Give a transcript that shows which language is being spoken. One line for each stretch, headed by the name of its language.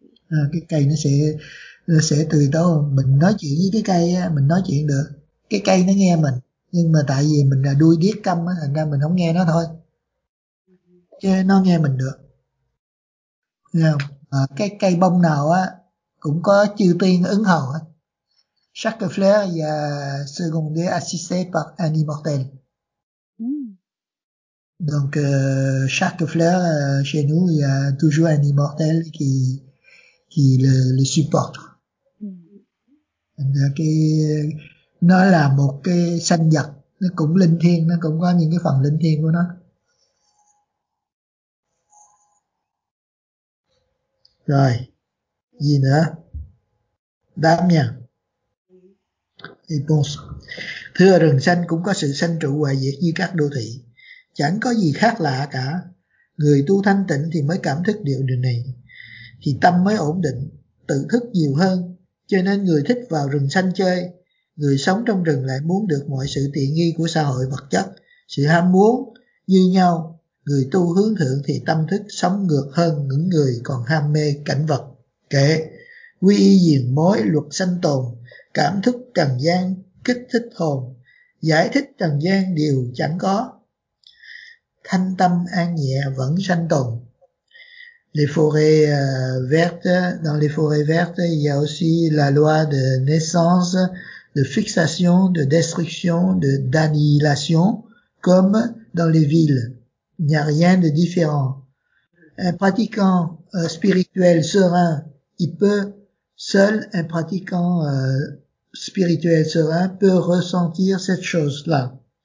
Vietnamese: Cái cây nó sẽ tươi tốt hơn. Mình nói chuyện với cái cây á, mình nói chuyện được, cái cây nó nghe mình. Nhưng mà tại vì mình là đuôi điếc câm á, thành ra mình không nghe nó thôi. Chứ nó nghe mình được. Nghe không? Cái cây bông nào á, cũng có chư tiên ứng hầu á.
French: Chaque fleur est secondée assistée par un immortel. Donc, chaque fleur chez nous, il y a toujours un immortel qui, qui le supporte. Cái, nó là một cái sanh vật, nó cũng linh thiêng, nó cũng có những cái phần linh thiêng của nó. Rồi, gì nữa? Đáp nha. Thưa rừng xanh cũng có sự sanh trụ hoại diệt như các đô thị, chẳng có gì khác lạ cả. Người tu thanh tịnh thì mới cảm thức điều này, thì tâm mới ổn định, tự thức nhiều hơn. Cho nên người thích vào rừng xanh chơi, người sống trong rừng lại muốn được mọi sự tiện nghi của xã hội vật chất, sự ham muốn như nhau. Người tu hướng thượng thì tâm thức sống ngược hơn những người còn ham mê cảnh vật. Kể quy y diền mối luật sanh tồn, cảm thức trần gian kích thích hồn, giải thích trần gian điều chẳng có, thanh tâm an nhẹ vẫn sanh tồn. Les forêts vertes, dans les forêts vertes, il y a aussi la loi de naissance, de fixation, de destruction, de d'annihilation, comme dans les villes. Il n'y a rien de différent. Un pratiquant spirituel serein, il peut, seul un pratiquant spirituel serein peut ressentir cette chose-là.